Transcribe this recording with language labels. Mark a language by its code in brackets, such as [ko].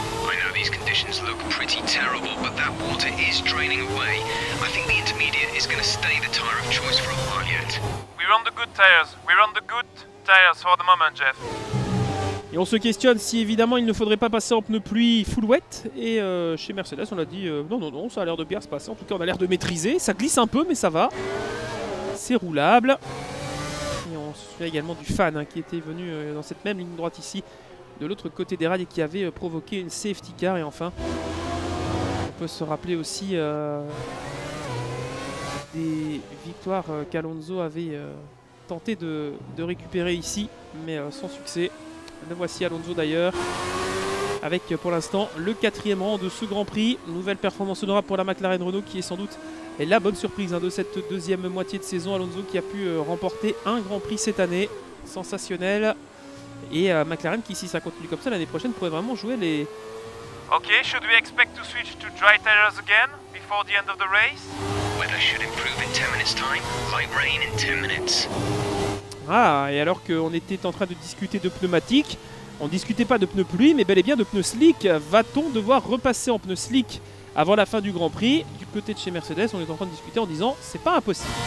[en] I know these conditions look pretty terrible, but that water is draining away. I think the intermediate is going to stay the tire of choice for a while yet. We're on the good tires. We're on the good tires for the moment, Jeff. [fr] Et on se questionne si évidemment il ne faudrait pas passer en pneu pluie full wet. Et chez Mercedes, on a dit non, ça a l'air de bien se passer. En tout cas, on a l'air de maîtriser. Ça glisse un peu, mais ça va. C'est roulable. Et on se fait également du fan hein, qui était venu dans cette même ligne droite ici, de l'autre côté des rails, et qui avait provoqué une safety car. Et enfin, on peut se rappeler aussi des victoires qu'Alonso avait tenté de récupérer ici, mais sans succès. Le voici Alonso d'ailleurs, avec pour l'instant le 4ème rang de ce Grand Prix. Nouvelle performance honorable pour la McLaren Renault qui est sans doute la bonne surprise de cette deuxième moitié de saison. Alonso qui a pu remporter un Grand Prix cette année, sensationnel. Et McLaren qui, si ça continue comme ça l'année prochaine, pourrait vraiment jouer les... [en] Ok, should we expect to switch to dry tires again before the end of the race? Weather should improve in 10 minutes time, light rain in 10 minutes. [fr] Ah, et alors qu'on était en train de discuter de pneumatiques, on discutait pas de pneus pluie, mais bel et bien de pneus slick. Va-t-on devoir repasser en pneus slick avant la fin du Grand Prix? Du côté de chez Mercedes, on est en train de discuter en disant c'est pas impossible.